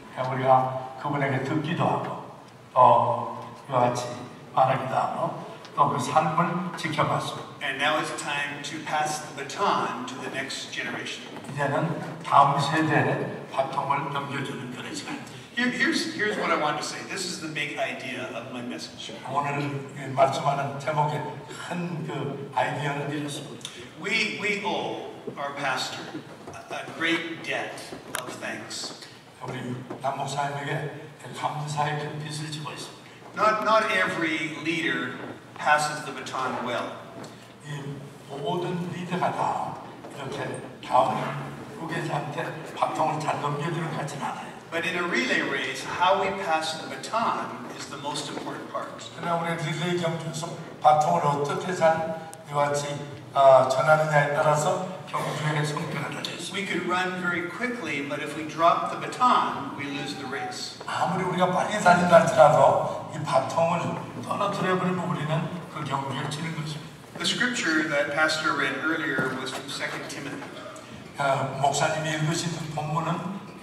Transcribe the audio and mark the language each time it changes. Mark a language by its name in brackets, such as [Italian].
[English] And now it's time to pass the baton to the next generation. Here's what I want to say. This is the big idea of my message. [Korean] 오늘 말씀하는 제목의 큰 그 아이디어는 이렇습니다. [English] We owe our pastor a great debt of thanks. [Korean] 우리 담임 목사님에게 감사의 빚을 지고 있습니다. [English] Not every leader passes the baton well. [Korean] 이 모든 리더가 다 이렇게 다음 후계자한테 바통을 잘 넘겨주는 것 같지는 않아요. [English] But in a relay race, how we pass the baton is the most important part. [Korean] 그러나 우리 릴레이 경주에서 바통을 어떻게 잘 이와치 전하느냐에 따라서 경주의 성패가 달려있어. [English] We could run very quickly, but if we drop the baton, we lose the race. [Korean] 아무리 우리가 빨리 달린다 할지라도 이 바통을 떨어뜨려버리면 우리는 그 경주에 치는 것입니다. [English] The scripture that Pastor read earlier was from 2 Timothy. [Korean] 목사님이 읽으신 본문은